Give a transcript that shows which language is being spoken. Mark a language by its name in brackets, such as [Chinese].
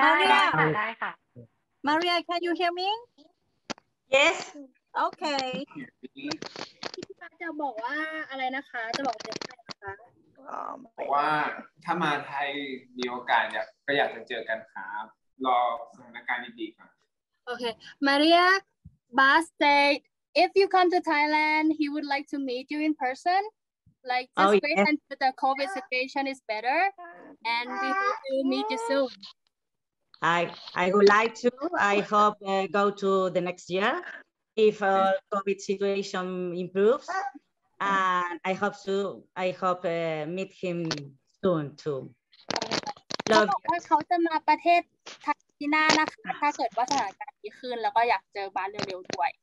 [Thai] ได้ค่ะ [English] Maria can you hear me yes [Thai] okay พี่จะบอกว่าอะไรนะคะจะบอกเด็กไทยนะคะ ว่าถ้ามาไทยมีโอกาสก็อยากจะเจอกันครับรอสถานการณ์ดีๆก่อน [English] โอเค MariaBas said, if you come to Thailand, he would like to meet you in person. Like, just wait until the COVID situation is better. And we hope to meet you soon. I would like to. I hope go to the next year if COVID situation improves. And I hope meet him soon too. Love you. He said that he will come to Thailand. [Thai] ที่หน้านะคะถ้าเกิดว่าสถานการณ์ดีขึ้นแล้วก็อยากเจอบ้านเร็วๆด้วย